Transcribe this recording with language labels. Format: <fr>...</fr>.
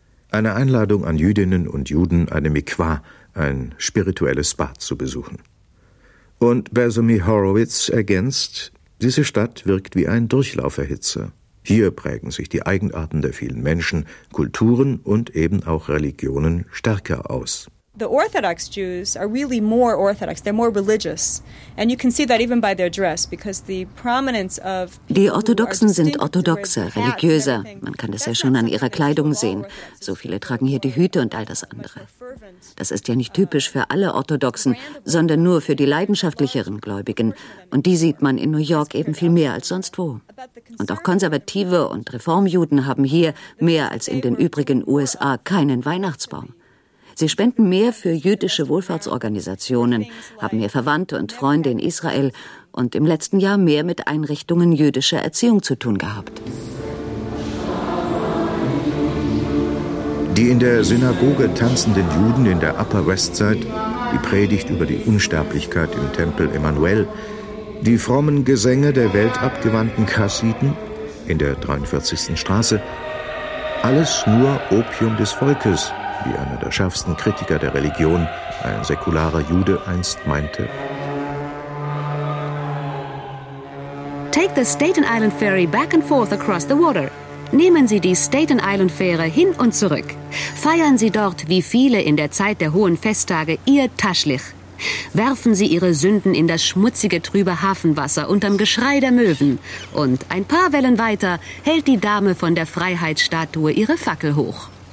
<de>Eine Einladung an Jüdinnen und Juden, eine Mikveh, ein spirituelles Bad zu besuchen. Und Besamy Horowitz ergänzt, diese Stadt wirkt wie ein Durchlauferhitzer. Hier prägen sich die Eigenarten der vielen Menschen, Kulturen und eben auch Religionen stärker aus.</de> <en>The Orthodox Jews are really more Orthodox. They're more religious, and you can see that even by their dress, because the prominence of</en> <de>die Orthodoxen sind orthodoxer, religiöser. Man kann das ja schon an ihrer Kleidung sehen. So viele tragen hier die Hüte und all das andere. Das ist ja nicht typisch für alle Orthodoxen, sondern nur für die leidenschaftlicheren Gläubigen. Und die sieht man in New York eben viel mehr als sonst wo. Und auch Konservative und Reformjuden haben hier mehr als in den übrigen USA keinen Weihnachtsbaum. Sie spenden mehr für jüdische Wohlfahrtsorganisationen, haben mehr Verwandte und Freunde in Israel und im letzten Jahr mehr mit Einrichtungen jüdischer Erziehung zu tun gehabt. Die in der Synagoge tanzenden Juden in der Upper West Side, die Predigt über die Unsterblichkeit im Tempel Emmanuel, die frommen Gesänge der weltabgewandten Chassiden in der 43. Straße, alles nur Opium des Volkes, wie einer der schärfsten Kritiker der Religion, ein säkularer Jude, einst meinte.</de> <en>Take the Staten Island Ferry back and forth across the water.</en> <de>Nehmen Sie die Staten Island Fähre hin und zurück. Feiern Sie dort, wie viele in der Zeit der hohen Festtage, Ihr Taschlich. Werfen Sie Ihre Sünden in das schmutzige, trübe Hafenwasser unterm Geschrei der Möwen. Und ein paar Wellen weiter hält die Dame von der Freiheitsstatue ihre Fackel hoch.</de>